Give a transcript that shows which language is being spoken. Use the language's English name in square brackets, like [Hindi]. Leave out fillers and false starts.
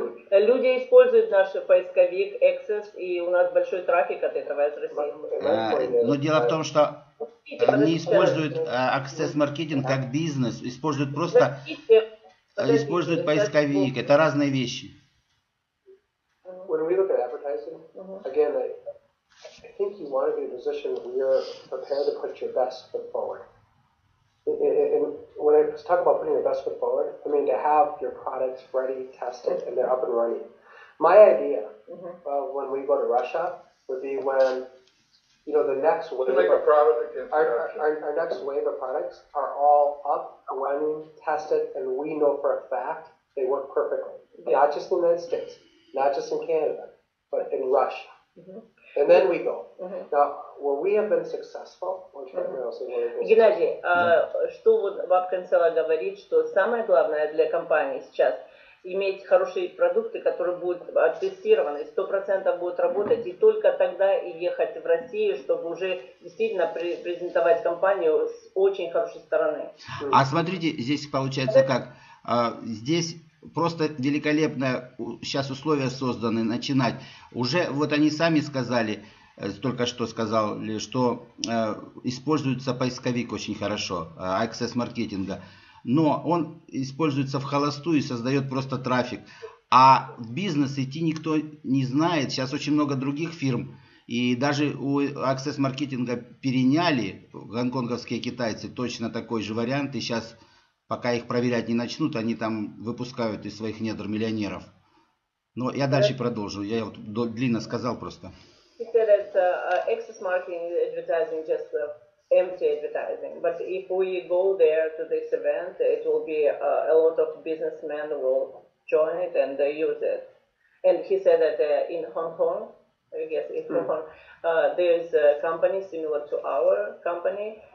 [Russian] Люди используют наш поисковик Access, и у нас большой трафик от этого из России. Но дело в том, что не используют Access Marketing как бизнес, используют просто используют поисковик. Это разные вещи. [English] When we look at advertising, again, I think you want to be in a position where you're prepared to put your best foot forward. And when I let's talk about putting your best foot forward. I mean, to have your products ready, tested, and they're up and running. My idea, when we go to Russia, would be when, you know, the next wave like of our next wave of products are all up, running, tested, and we know for a fact they work perfectly. Not just in the United States, not just in Canada, but in Russia. And then we go. Now, where we have been successful, [Russian] Геннадий, что вот Бабкинцева говорит, что самое главное для компании сейчас иметь хорошие продукты, которые будут тестированы, 100% будут работать, и только тогда и ехать в Россию, чтобы уже действительно презентовать компанию с очень хорошей стороны. А смотрите, здесь получается как, здесь просто великолепное сейчас условия созданы, начинать. Уже вот они сами сказали, только что сказали, что используется поисковик очень хорошо, Access маркетинга. Но он используется в холостую и создает просто трафик. А в бизнес идти никто не знает. Сейчас очень много других фирм. И даже у Access маркетинга переняли гонконговские китайцы точно такой же вариант. И сейчас, пока их проверять не начнут, они там выпускают из своих недр миллионеров. Но я дальше продолжу. Я вот длинно сказал просто. [English] He said that Access marketing advertising just empty advertising. But if we go there to this event, it will be a lot of businessmen will join it and they use it. And he said that in Hong Kong, I guess in Hong Kong, there is a company similar to our company.